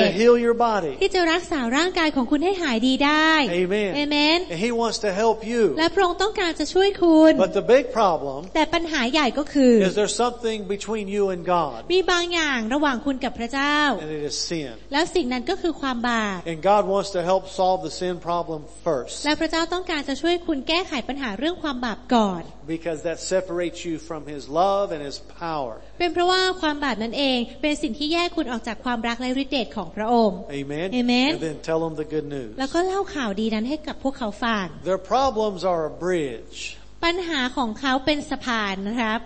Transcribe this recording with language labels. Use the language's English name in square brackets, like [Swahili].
[English] to heal your body. [Thai] ที่จะรักษาร่างกายของคุณให้หายดีได้ [English] Amen. Amen. And he wants to help you. [Thai] และพระองค์ต้องการจะช่วยคุณ [English] But the big problem. [Thai] แต่ปัญหาใหญ่ก็คือ [English] Is there something between you and God? [Thai] มีบางอย่างระหว่างคุณกับพระเจ้า [English] And it is sin. [Thai] แล้วสิ่งนั้นก็คือความบาป [English] And God wants to help solve the sin problem first. [Thai] และพระเจ้าต้องการจะช่วยคุณแก้ไขปัญหาเรื่องความบาปก่อน [English] Because that separates you from His love and His power. [Thai] เป็นเพราะว่าความบาปนั่นเองเป็นสิ่งที่แยกคุณออกจากความรักและฤทธิ์เดชของพระองค์ [English] Amen. Amen. And then tell them the good news. [Thai] แล้วก็เล่าข่าวดีนั้นให้กับพวกเขาฟัง [English] Their problems are a bridge. [Thai] ปัญหาของเขาเป็นสะพานนะครับ